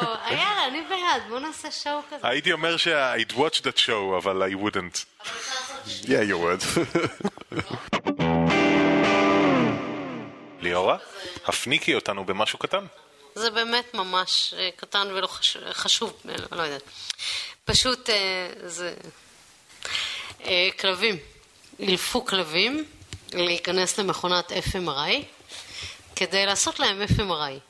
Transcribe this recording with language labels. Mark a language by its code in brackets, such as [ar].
[he] יאללה, אני בעד, בוא נעשה שואו כזה. הייתי אומר ש- [en] I'd watch that show, [he] אבל [en] I wouldn't. Yeah, you would. [he] ליאורה, הפניקי אותנו במשהו קטן. זה באמת ממש קטן ולא חשוב, לא יודעת. פשוט זה... כלבים. ילפו כלבים להיכנס למכונת FMRI כדי לעשות להם FMRI.